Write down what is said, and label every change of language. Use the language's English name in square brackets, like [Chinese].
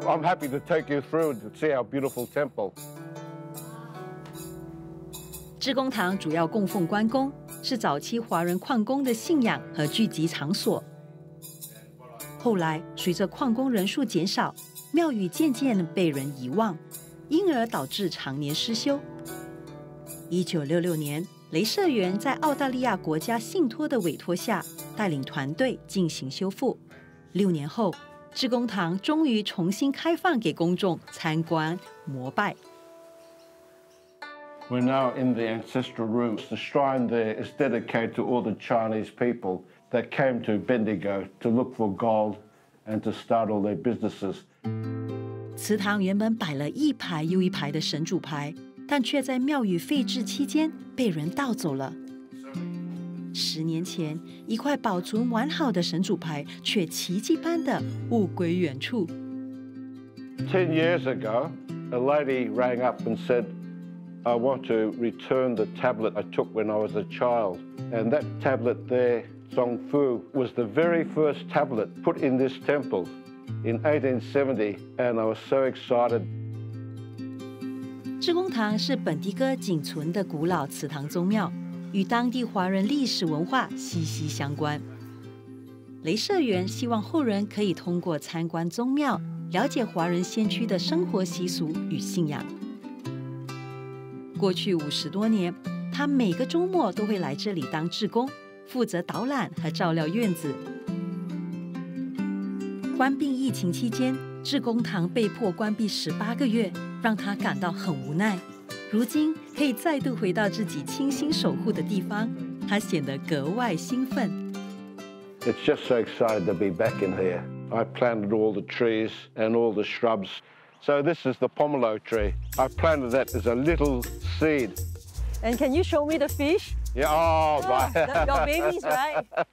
[English] I'm happy to take you through to see our beautiful temple. [Chinese] 志工堂主要供奉关公，是早期华人矿工的信仰和聚集场所。后来随着矿工人数减少，庙宇渐渐被人遗忘，因而导致常年失修。1966年。雷社员在澳大利亚国家信托的委托下，带领团队进行修复。六年后，志工堂终于重新开放给公众参观膜拜。 [English] We're now in the ancestral rooms. The shrine there is dedicated to all the Chinese people that came to Bendigo to look for gold and to start all their businesses. [Chinese] 祠堂原本摆了一排又一排的神主牌。但却在庙宇废置期间被人盗走了。十年前，一块保存完好的神主牌却奇迹般的物归原处。 [English] 10 years ago, a lady rang up and said, "I want to return the tablet I took when I was a child." And that tablet there Song Fu was the very first tablet put in this temple in 1870, and I was so excited. [Chinese] 智公堂是本迪戈仅存的古老祠堂宗庙，与当地华人历史文化息息相关。雷社员希望后人可以通过参观宗庙，了解华人先驱的生活习俗与信仰。过去50多年，他每个周末都会来这里当志工，负责导览和照料院子。关闭疫情期间，志工堂被迫关闭18个月，让他感到很无奈。如今可以再度回到自己倾心守护的地方，他显得格外兴奋。 [English] It's just so excited to be back in here. I planted all the trees and all the shrubs. So this is the pomelo tree. I planted that as a little seed. And can you show me the fish? Yeah, oh, my. Your babies, right?